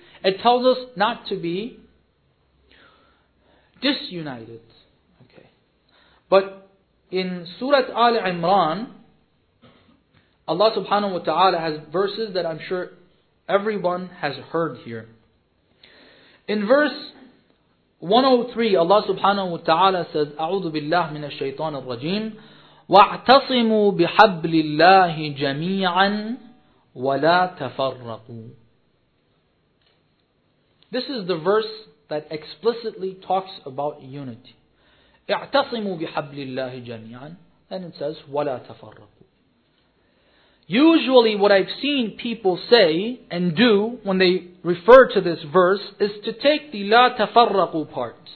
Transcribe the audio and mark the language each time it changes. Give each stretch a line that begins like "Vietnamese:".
English: It tells us not to be disunited. But in Surah Al-Imran, Allah subhanahu wa ta'ala has verses that I'm sure everyone has heard here. In verse 103, Allah subhanahu wa ta'ala says,
Arabic: أعوذ بالله من الشيطان الرجيم وَاعْتَصِمُوا بِحَبْلِ اللَّهِ جَمِيعًا وَلَا تَفَرَّقُوا.
English: This is the verse that explicitly talks about unity.
Arabic: اعْتَصِمُوا بِحَبْلِ اللَّهِ جَمِيعًا.
English: Then it says,
Arabic: وَلَا تَفَرَّقُوا.
English: Usually what I've seen people say and do when they refer to this verse is to take the
Arabic: لَا تَفَرَّقُوا
English: part.